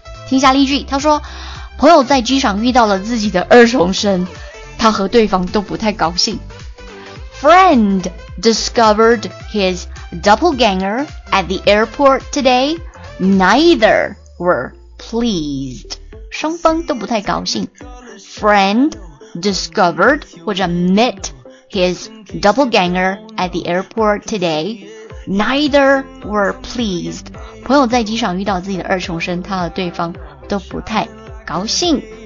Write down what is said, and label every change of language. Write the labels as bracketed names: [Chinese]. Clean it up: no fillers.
[Chinese] 听下例句，他说朋友在机场遇到了自己的二重身，他和对方都不太高兴。 [English] Friend discovered his doppelganger at the airport today. Neither were pleased. [Chinese] 双方都不太高兴。 [English] Friend discovered [Chinese] 或者 [English] met his doppelganger at the airport today. Neither were pleased. [Chinese] 朋友在机场遇到自己的二重身，他和对方都不太高兴。